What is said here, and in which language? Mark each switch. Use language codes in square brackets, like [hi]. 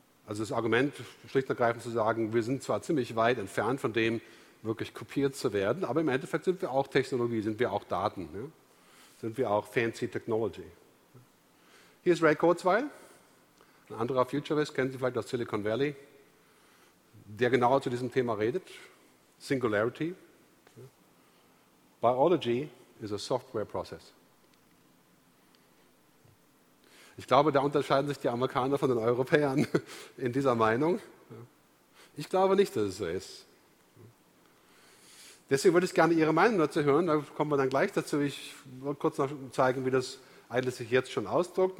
[de] Also das Argument, schlicht und ergreifend zu sagen, wir sind zwar ziemlich weit entfernt von dem, wirklich kopiert zu werden, aber im Endeffekt sind wir auch Technologie, sind wir auch Daten, ja? Sind wir auch fancy Technology. Hier ist Ray Kurzweil, ein anderer Futurist, kennen Sie vielleicht aus Silicon Valley, der genau zu diesem Thema redet, Singularity. [en] Biology is a software process. [de] Ich glaube, da unterscheiden sich die Amerikaner von den Europäern in dieser Meinung. Ich glaube nicht, dass es so ist. Deswegen würde ich gerne Ihre Meinung dazu hören. Da kommen wir dann gleich dazu. Ich will kurz noch zeigen, wie das eigentlich sich jetzt schon ausdrückt.